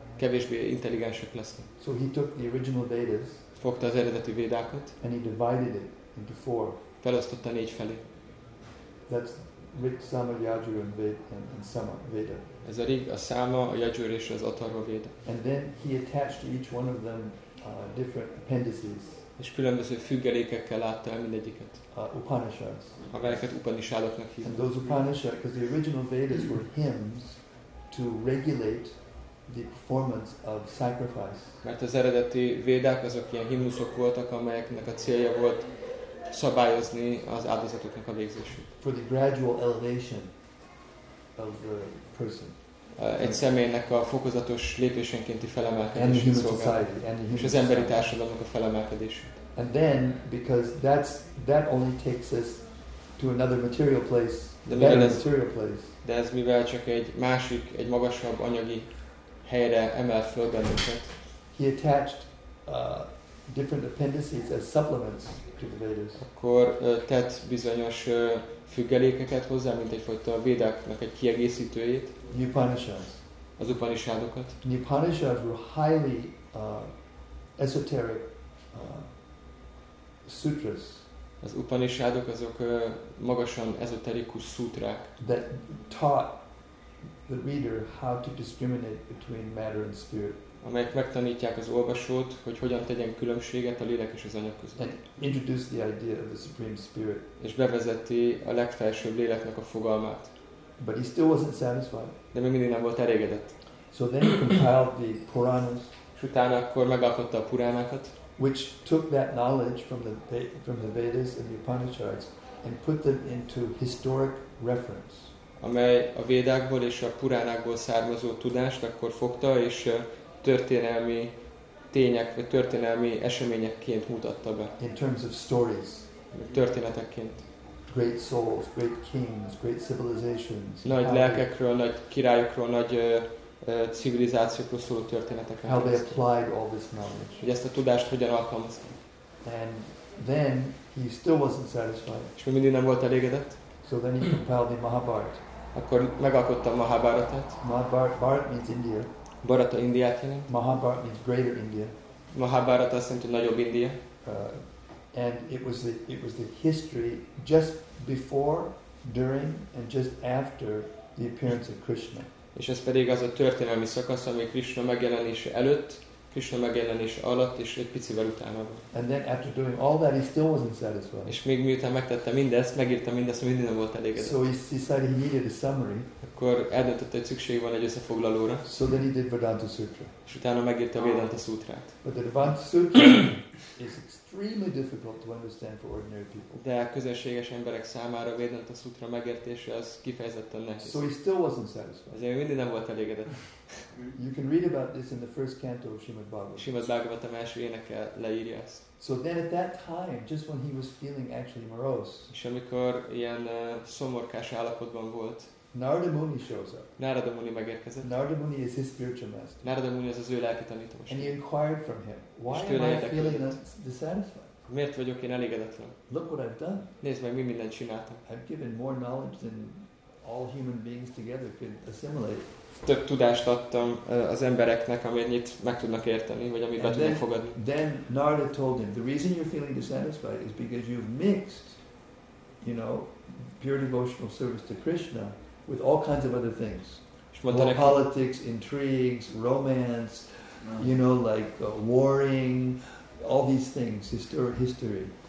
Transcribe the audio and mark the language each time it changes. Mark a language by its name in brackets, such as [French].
[Hungarian] Kevésbé intelligensek lesznek. [English] So he took the original Vedas, [Hungarian] fogta az eredeti Védákat, [English] and he divided it into four. [Hungarian] Felosztotta négy felé. [English] That's Rig, Sama, Yajur, and Sama Veda. [Hungarian] Ez a Rig, a Sama, a Yajur és az Atharva Veda. [English] And then he attached to each one of them different appendices. [Hungarian] És különböző függelékekkel látta el mindegyiket. [English] Upanishads. [Hungarian] Amelyeket Upanishadoknak hívnak. [English] And those Upanishads, because the original Vedas were hymns to regulate the performance of sacrifice. [Hungarian] Mert az eredeti Védák azok ilyen himnuszok voltak, amelyeknek a célja volt szabályozni az áldozatoknak a végzését. [English] For the gradual elevation of the person. [Hungarian] Egy személynek a fokozatos lépésenkénti felemelkedését szolgálni, és az emberi társadalomnak a felemelkedését. [English] And then, because that only takes us to another material place, the better material place. [Hungarian] De ez mivel csak egy másik, egy magasabb anyagi helyre emel föl bennünket. [English] He attached different appendices as supplements to the Vedas. [Hungarian] Akkor tett bizonyos függelékeket hozzá, mint egyfajta a Védáknak egy kiegészítőjét. [English] The Upanishads. [Hungarian] Az Upanishadokat. [English] The Upanishads were highly esoteric sutras. [Hungarian] Az Upanishadok azok magasan ezoterikus szútrák. [English] That taught the reader how to discriminate between matter and spirit. [Hungarian] Amelyek megtanítják az olvasót, hogy hogyan tegyen különbséget a lélek és az anyag között. [English] And introduce the idea of the Supreme Spirit. [Hungarian] És bevezeti a legfelsőbb léleknek a fogalmát. [English] But he still wasn't satisfied. [Hungarian] De még mindig nem volt elégedett. [English] So then he compiled the Puranas. [Hungarian] És utána akkor megalkotta a Puránákat. [English] Which took that knowledge from the Vedas and the Upanishads and put them into historic reference. [Hungarian] Amely a Védákból és a Puránákból származó tudást akkor fogta és történelmi tények vagy történelmi eseményekként mutatta be. [English] In terms of stories. [Hungarian] Történetekként. [English] Great souls, great kings, great civilizations. [Hungarian] Nagy lelkekről, nagy királyokról, nagy civilizációkról szóló történeteket. [English] How they applied all this knowledge. [Hungarian] Hogy ezt a tudást hogyan alkalmazták. [English] And then he still wasn't satisfied. [Hungarian] És még mindig nem volt elégedett. [English] So then he compiled the Mahabharat. [Hungarian] Akkor megalkotta a Mahabharatát. [English] Mahabharat means India. [Hungarian] Bharata Indiát jelent. [English] Mahabharat means Greater India. [Hungarian] Mahabharat azt jelenti nagyobb India. [English] And it was the history just before, during, and just after the appearance of Krishna. [Hungarian] És ez pedig az a történelmi szakasz, ami Krishna megjelenése előtt, Krishna megjelenése alatt és egy picivel utána volt. [English] And then after doing all that, he still wasn't satisfied. [Hungarian] És még miután megtette mindezt, megírta mindezt, mindig nem volt elégedett. [English] So he decided he needed a summary. [Hungarian] Akkor eldöntött, hogy szükség van egy összefoglalóra. [English] So then he did Vedanta Sutra. [Hungarian] És utána megírta a Vedanta Sutrát. [English] But the Vedanta Sutra is extremely difficult to understand for ordinary people. [Hungarian] De a közönséges emberek számára a Vedanta Sutra megértése az kifejezetten nehéz. [English] So he still wasn't satisfied. [Hungarian] Ezért mindig nem volt elégedett. [English] You can read about this in the first canto of Srimad Bhagavatam. [Hungarian] Srimad Bhagavatam első éneke leírja ezt. [English] So then at that time, just when he was feeling actually morose, [Hungarian] és amikor ilyen szomorkás állapotban volt, [English] Narada Muni shows up. [Hungarian] Narada Muni megérkezett. [English] Narada Muni is his spiritual master. [Hungarian] Narada Muni az ő lelki tanítósa. [English] And he inquired from him, why am I feeling dissatisfied? [Hungarian] Miért vagyok én elégedetlen? [English] Look what I've done. [Hungarian] Nézd meg, mi mindent csináltam. [English] I've given more knowledge than all human beings together could assimilate. [Hungarian] Több tudást adtam az embereknek, amit meg tudnak érteni, vagy amit be tudnak fogadni. [English] Then Narada told him, the reason you're feeling dissatisfied is because you've mixed, you know, pure devotional service to Krishna with all kinds of other things. More politics, intrigues, romance, you know, like warring, all these things, history.